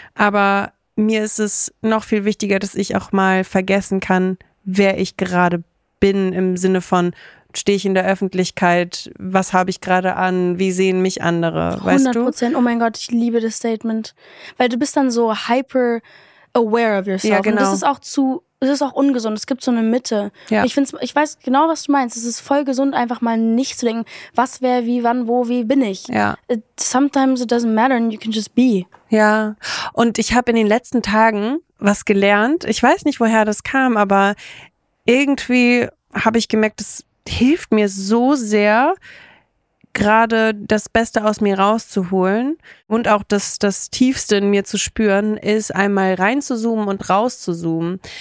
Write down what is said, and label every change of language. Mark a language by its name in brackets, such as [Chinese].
[German] Aber mir ist es noch viel wichtiger, dass ich auch mal vergessen kann, wer ich gerade bin, im Sinne von, stehe ich in der Öffentlichkeit, was habe ich gerade an, wie sehen mich andere, weißt du? 100%, oh mein Gott, ich liebe das Statement. Weil du bist dann so [English] hyper aware of yourself. [German] Ja, genau. Und das ist auch ungesund, es gibt so eine Mitte. Ja. Ich weiß genau, was du meinst, es ist voll gesund, einfach mal nicht zu denken, was, wer, wie, wann, wo, wie bin ich. Ja. [English] Sometimes it doesn't matter and you can just be. [German] Ja, und ich habe in den letzten Tagen was gelernt, ich weiß nicht, woher das kam, aber irgendwie habe ich gemerkt, dass hilft mir so sehr, gerade das Beste aus mir rauszuholen und auch das Tiefste in mir zu spüren, ist einmal reinzuzoomen und rauszuzoomen.